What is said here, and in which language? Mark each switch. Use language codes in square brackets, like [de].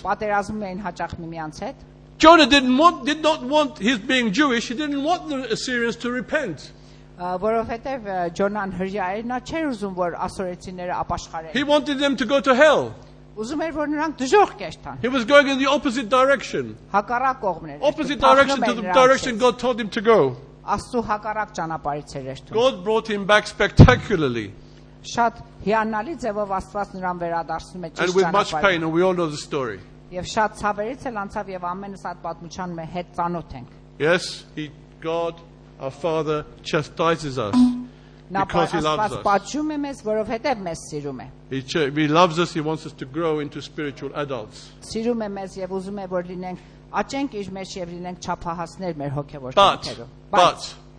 [hy] Պատերազմում էին հաճախ միմյանց հետ. [en] Jonah did not want his being Jewish. He didn't want the Assyrians to repent. [hy] Որովհետև Ջոնան հրեա էր, նա չէր ուզում, որ ասորեցիները ապաշխարեն։ [en] He wanted them to go to hell. [hy] Ուզում էր, որ նրանք դժոխք կեշտան։ [en] He was going in the opposite direction. [hy] Հակառակ կողմն էր։ [en] Opposite direction to the direction God told him to go. [hy] Աստու հակառակ ճանապարհից էր երթում։ [en] God brought him back spectacularly. [hy] Շատ հիանալի ձևով Աստված նրան վերադարձնում է ճիշտ ճանապարհ։ [en] And with much pain, and we all know the story. [hy] Եվ շատ ցավերից էլ անցավ եւ ամենս այդ պատմության հետ ծանոթ ենք։ [en] Yes, God our Father chastises us because he loves us. He loves us, he wants us to grow into spiritual adults. But